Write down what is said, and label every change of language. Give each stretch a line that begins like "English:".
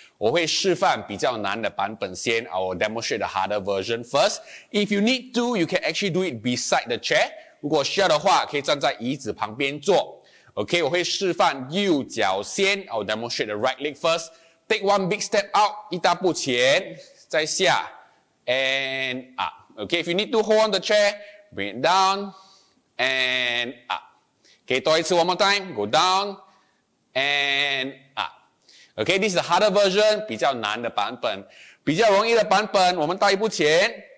Chinese: 我会示范比较难的版本先。
English: I will demonstrate the harder version first. If you need to, you can actually do it beside the chair.
Chinese: 如果需要的话，可以站在椅子旁边做。
English: Okay,
Chinese: 我会示范右脚先。
English: I will demonstrate the right leg first. Take one big step out,
Chinese: 一大步前，再下
English: and up. Okay, if you need to hold on the chair, bring it down and up. Okay,
Chinese: 多一次
English: one more time, go down, and up. Okay, this is the harder version,
Chinese: 比较难的版本。比较容易的版本，我们大一步前。